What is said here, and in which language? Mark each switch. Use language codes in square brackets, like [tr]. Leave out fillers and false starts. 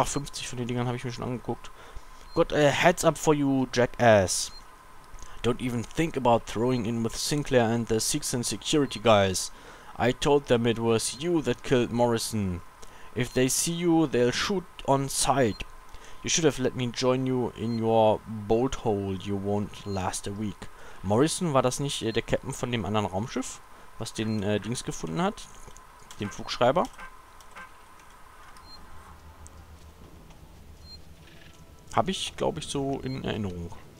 [de] Ach, 50 von den Dingern habe ich mir schon angeguckt. [en] Got a heads up for you, jackass. Don't even think about throwing in with Sinclair and the Six and Security guys. I told them it was you that killed Morrison. If they see you, they'll shoot on sight. You should have let me join you in your bolt hole. You won't last a week. [de] Morrison, war das nicht der Captain von dem anderen Raumschiff, was den Dings gefunden hat? Dem Flugschreiber? Habe ich, glaube ich, so in Erinnerung.